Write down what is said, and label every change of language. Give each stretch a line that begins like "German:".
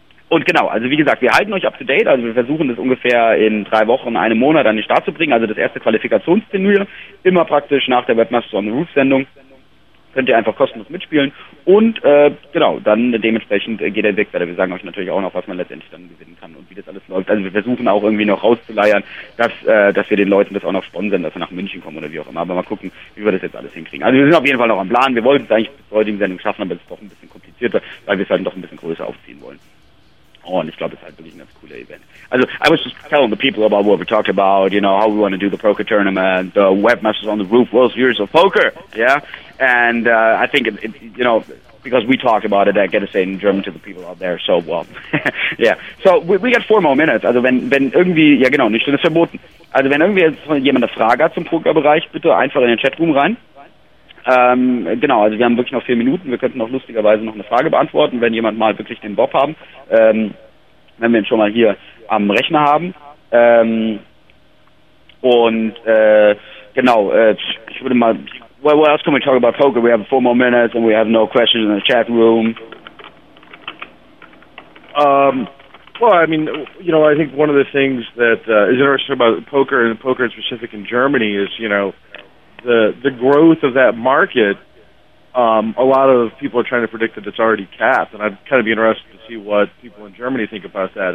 German: Und genau, also wie gesagt, wir halten euch up to date, also wir versuchen das ungefähr in 3 Wochen, einem Monat an den Start zu bringen, also das erste Qualifikationsturnier, immer praktisch nach der Webmaster on the Roof Sendung, könnt ihr einfach kostenlos mitspielen und genau, dann dementsprechend geht der Weg weiter. Wir sagen euch natürlich auch noch, was man letztendlich dann gewinnen kann und wie das alles läuft. Also wir versuchen auch irgendwie noch rauszuleiern, dass wir den Leuten das auch noch sponsern, dass wir nach München kommen oder wie auch immer, aber mal gucken, wie wir das jetzt alles hinkriegen. Also wir sind auf jeden Fall noch am Plan, wir wollten es eigentlich bis heutigen Sendung schaffen, aber es ist doch ein bisschen komplizierter, weil wir es halt doch ein bisschen größer aufziehen wollen. Oh, und ich glaube, es ist halt wirklich ein ganz cooler Event.
English: Also, I was just telling the people about what we talked about, you know, how we want to do the poker tournament, the Webmasters on the Roof, World Series of Poker, yeah? And I think, you know, because we talked about it, I get to say in German to the people out there, so well. Yeah, so we got 4 more minutes.
German: Also, wenn irgendwie, ja genau, nicht, das ist verboten. Also, wenn irgendwie jemand eine Frage hat zum Pokerbereich, bitte einfach in den Chatroom rein. Genau, also wir haben wirklich noch 4 Minuten, wir könnten auch lustigerweise noch eine Frage beantworten, wenn jemand mal wirklich den Bob haben, wenn wir ihn schon mal hier am Rechner haben, ich würde mal,
English: what else can we talk about poker, we have 4 more minutes and we have no questions in the chat room. I think one of the things that is interesting about poker and poker in specific in Germany is, you know, the growth of that market, a lot of people are trying to predict that it's already capped, and I'd kind of be interested to see what people in Germany think about that.